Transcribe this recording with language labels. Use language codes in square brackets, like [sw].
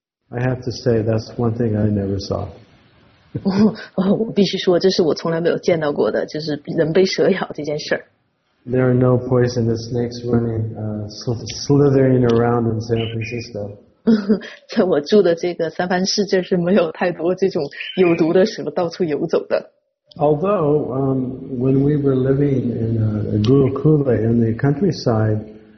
[en] I have to say that's one thing I never saw. [zh] 我必须说，这是我从来没有见到过的，就是人被蛇咬这件事。 [en] There are no poisonous snakes running, slithering around in San Francisco. [zh] 在我住的这个三藩市，这是没有太多这种有毒的蛇到处游走的。 [en] Although, when we were living in a Gurukula in the countryside.